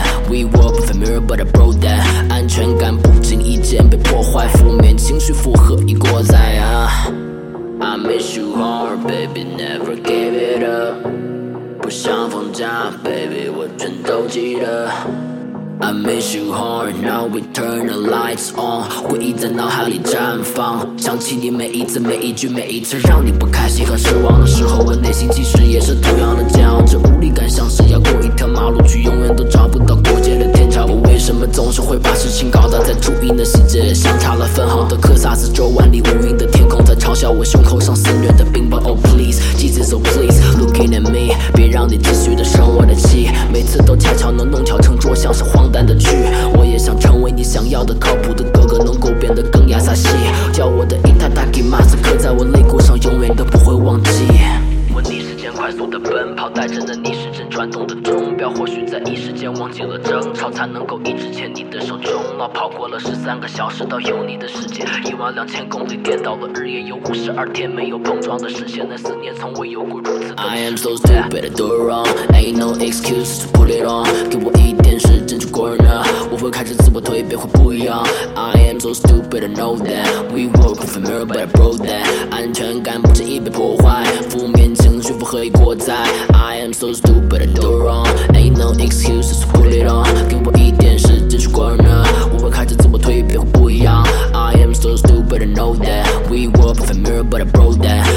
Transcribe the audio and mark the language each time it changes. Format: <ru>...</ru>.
<en>We were familiar, but I broke that.</en> <zh>安全感不经意间被破坏，负面情绪负荷已过载啊。</zh> <en>I miss you hard, baby, never give it up.</en> <zh>不想放假 ，baby， 我全都记得。</zh> <en>I miss you hard, now we turn the lights on.</en> <zh>回忆在脑海里绽放，想起你每一次、每一句、每一次让你不开心和失望的时候，我内心其实也是同样的煎熬。这无力感像是要过一条马路去，永远都找不到过街的天桥。我为什么总是会把事情搞砸？在注意那细节，相差了分毫的克萨斯州，万里无云的天空在嘲笑我胸口上肆虐的冰雹。</zh> <en>Oh please, Jesus, oh please, looking at me，</en> <zh>别让你继续的生我的气。每次都恰巧能弄巧成拙，像是荒诞的剧。我也想成为你想要的靠谱的哥哥，能够变得更亚萨西。叫我的伊塔达基马斯刻在我肋骨上，永远都不会忘记。我逆时间快速的奔跑，带着那逆时针转动的钟表，或许在一时间忘记了争吵，才能够一直牵你的手冲浪。跑过了13个小时到有你的世界，12000公里颠倒了日夜，有52天没有碰撞的视线，那思念从未有过如此的。</zh> <en>I am so stupid, I do it wrong, ain't no excuse to put it on.</en> <zh>给我一点时间去</zh> <en>grown up，</en> <zh>我会开始自我蜕变，会不一样。</zh> <en>I am so stupid, I know that. We were both familiar, but I broke that.</en> <zh>安全感不经意被破坏，负面情绪不合意过载。</zh> <en>I am so stupid, I do it wrong, ain't no excuse to put it on.</en> <zh>给我一点时间去</zh> <en>grown up，</en> <zh>我会开始自我蜕变，会不一样。</zh> <en>I am so stupid, I know that. We were both familiar, but I broke that.</en>